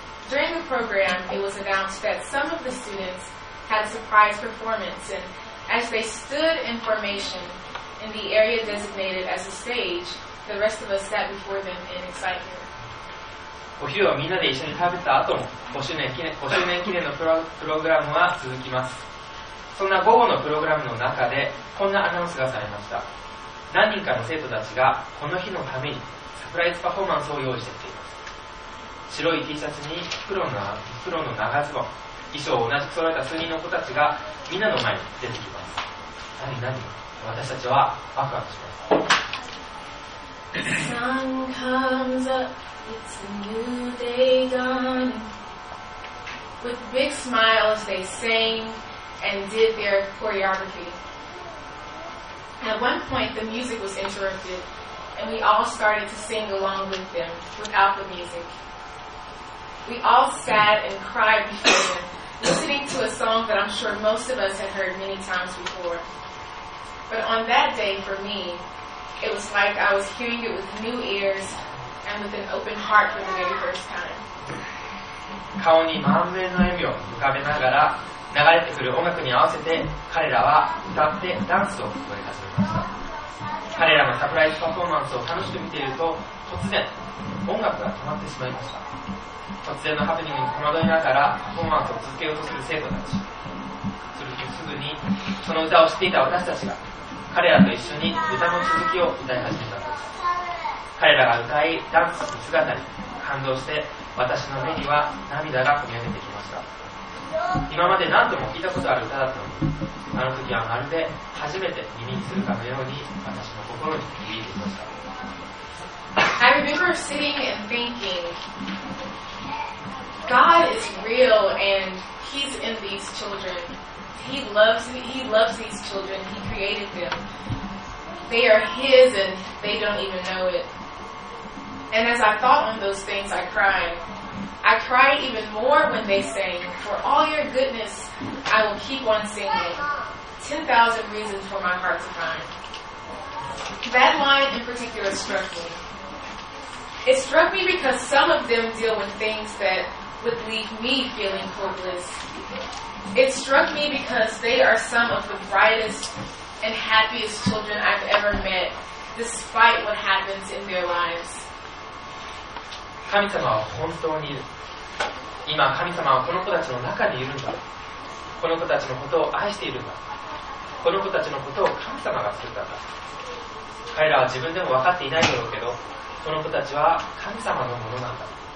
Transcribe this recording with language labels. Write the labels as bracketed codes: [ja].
[en] During the program, it was announced that some of the students had a surprise performance, and as they stood in formation in the area designated as a stage, the rest of us sat before them in excitement. [ja] お昼をみんなで一緒に食べた後も5周年記念のプログラムは続きます。そんな午後のプログラムの中でこんなアナウンスがされました。何人かの生徒たちがこの日のためにサプライズパフォーマンスを用意してきています。白い T シャツに黒の長ズボン、衣装を同じく揃えた数人の子たちがみんなの前に出てきます。何私たちはワクワクします。 [en] Sun comes up, it's a new day dawning. With big smiles, they sang and did their choreography. At one point, the music was interrupted, and we all started to sing along with them without the music. We all sat and cried before them, listening to a song that I'm sure most of us had heard many times before. But on that day, for me,It was like I was hearing it with new ears and with an open heart for the very first time. [ja] 顔に満面の笑みを浮かべながら流れてくる音楽に合わせて彼らは歌ってダンスを踊り始めました。彼らのサプライズパフォーマンスを楽しく見ていると突然音楽が止まってしまいました。突然のハプニングに戸惑いながらパフォーマンスを続けようとする生徒たち。するとすぐにその歌を知っていた私たちが彼らと一緒に歌の続きを歌い始めたのです。彼らが歌いダンスする姿に感動して私の目には涙がこみ上げてきました。今まで何度も聞いたことある歌だったのに、あの時はまるで初めて耳にするかのように私の心に響いていました。 [en] I remember sitting and thinking God is real and He's in these childrenHe loves these children. He created them. They are His and they don't even know it. And as I thought on those things, I cried. I cried even more when they sang, For all your goodness, I will keep on singing. 10,000 reasons for my heart to find. That line in particular struck me. It struck me because some of them deal with things that would leave me feeling hopeless. It struck me because they are some of the brightest and happiest children I've ever met, despite what happens in their lives. [ja] 神様は本当にいる。今、神様はこの子たちの中にいるんだ。この子たちのことを愛しているんだ。この子たちのことを神様が作ったんだ。彼らは自分でも分かっていないだろうけど、この子たちは神様のものなんだ。